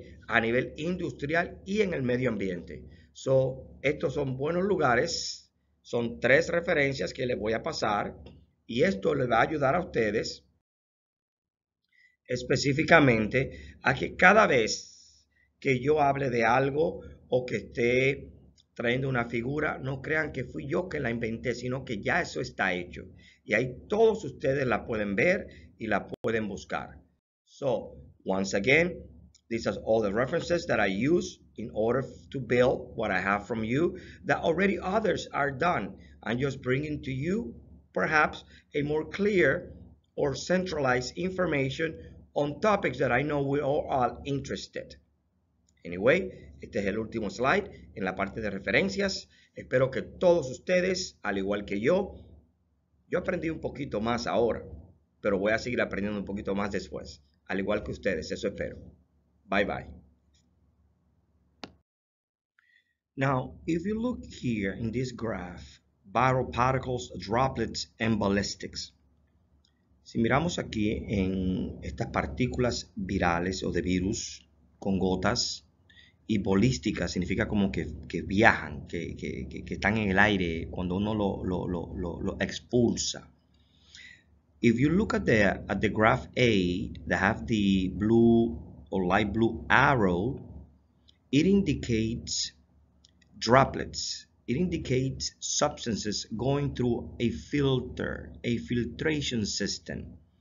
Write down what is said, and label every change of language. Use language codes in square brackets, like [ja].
[es] A nivel industrial y en el medio ambiente. So, estos son buenos lugares, son tres referencias que les voy a pasar y esto les va a ayudar a ustedes específicamente a que cada vez que yo hable de algo o que esté trayendo una figura, no crean que fui yo que la inventé, sino que ya eso está hecho. Y ahí todos ustedes la pueden ver y la pueden buscar. [en] So, once again, these are all the references that I use in order to build what I have from you that already others are done. I'm just bringing to you perhaps a more clear or centralized information on topics that I know we all are interested. [es] Anyway, este es el último slide en la parte de referencias. Espero que todos ustedes, al igual que yo aprendí un poquito más ahora, pero voy a seguir aprendiendo un poquito más después, al igual que ustedes, eso espero. [en] Bye bye. Now, if you look here in this graph, viral particles, droplets, and ballistics. [es] Si miramos aquí en estas partículas virales o de virus con gotas y bolísticas, significa como que viajan, que están en el aire cuando uno lo expulsa. [en] If you look at the graph A, they have the blue or light blue arrow, it indicates droplets. It indicates substances going through a filter, a filtration system.